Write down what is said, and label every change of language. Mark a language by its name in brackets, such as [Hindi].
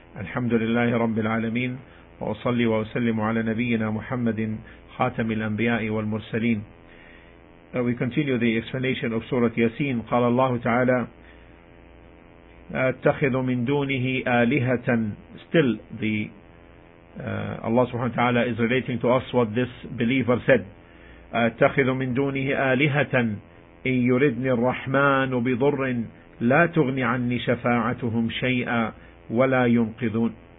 [Arabic] الحمد لله رب العالمين، وأصلي وأسلم على نبينا محمد خاتم الأنبياء والمرسلين. [English] We continue the explanation of Surah Yasin. [Arabic] قال الله تعالى أتخذ من دونه آلهة. [English] Still the Allah subhanahu wa ta'ala is relating to us what this believer said. [Arabic] أتخذ من دونه آلهة إن يردني الرحمن بضر لا تغني عني شفاعتهم شيئا ولا ينقذون.